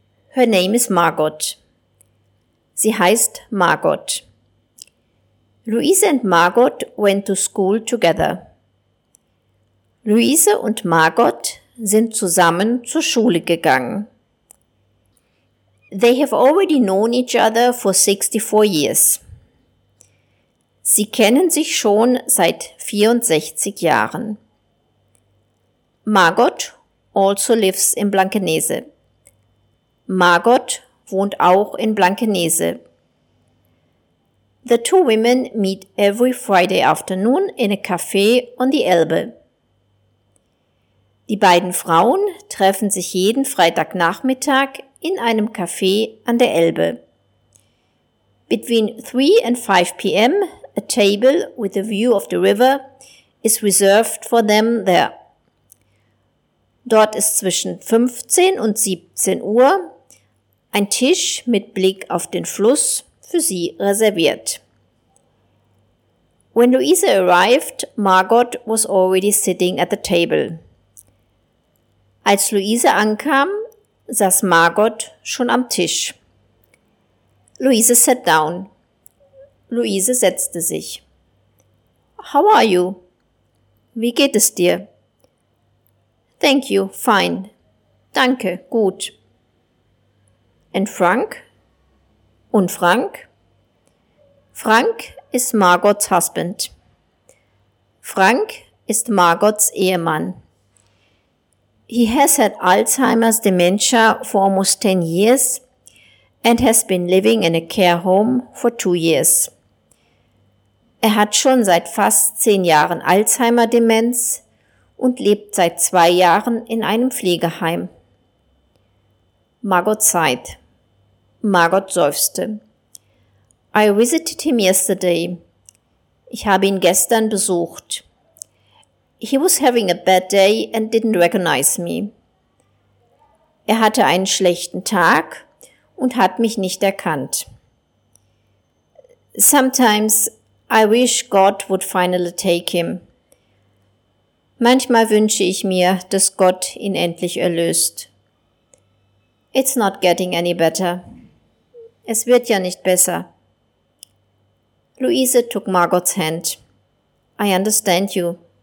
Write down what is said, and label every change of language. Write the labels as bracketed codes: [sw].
[en] Her name is Margot. [de] Sie heißt Margot. [en] Luise and Margot went to school together. [de] Luise und Margot sind zusammen zur Schule gegangen. [en] They have already known each other for 64 years. [de] Sie kennen sich schon seit 64 Jahren. [en] Margot also lives in Blankenese. [de] Margot wohnt auch in Blankenese. [en] The two women meet every Friday afternoon in a café on the Elbe. [de] Die beiden Frauen treffen sich jeden Freitagnachmittag in einem Café an der Elbe. [en] Between 3 and 5 p.m., a table with a view of the river is reserved for them there. [de] Dort ist zwischen 15 und 17 Uhr ein Tisch mit Blick auf den Fluss für sie reserviert. [en] When Luise arrived, Margot was already sitting at the table. [de] Als Luise ankam, saß Margot schon am Tisch. [en] Luise sat down. [de] Luise setzte sich. [en] How are you? [de] Wie geht es dir? [en] Thank you, fine. [de] Danke, gut. [en] And Frank? [de] Und Frank? Frank ist Margots Husband. Frank ist Margots Ehemann. [en] He has had Alzheimer's dementia for almost 10 years and has been living in a care home for 2 years. [de] Er hat schon seit fast 10 Jahren Alzheimer-Demenz und lebt seit 2 Jahren in einem Pflegeheim. [en] Margot sighed. [de] Margot seufzte. [en] I visited him yesterday. [de] Ich habe ihn gestern besucht. [en] He was having a bad day and didn't recognize me. [de] Er hatte einen schlechten Tag und hat mich nicht erkannt. [en] Sometimes I wish God would finally take him. [de] Manchmal wünsche ich mir, dass Gott ihn endlich erlöst. [en] It's not getting any better. [de] Es wird ja nicht besser. [en] Luise took Margot's hand. I understand you.